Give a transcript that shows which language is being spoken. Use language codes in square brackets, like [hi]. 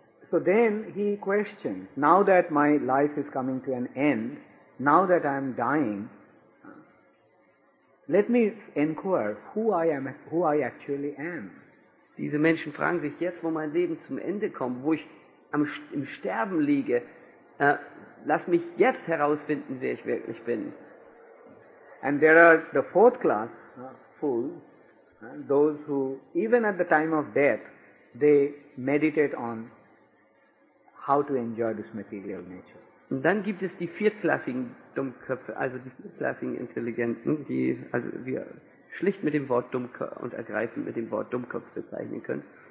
[en] So then he questions, now that my life is coming to an end, now that I am dying, let me inquire who I am, who I actually am. [de] Diese Menschen fragen sich jetzt, wo mein Leben zum Ende kommt, wo ich im Sterben liege, lass mich jetzt herausfinden, wer ich wirklich bin. [en] And there are the fourth class fools, those who even at the time of death they meditate on how to enjoy this material nature. [de] Und dann gibt es die viertklassigen Dummköpfe, also die viertklassigen Intelligenten, die also wir schlicht mit dem Wort Dummkopf und ergreifend mit dem Wort Dummkopf bezeichnen können.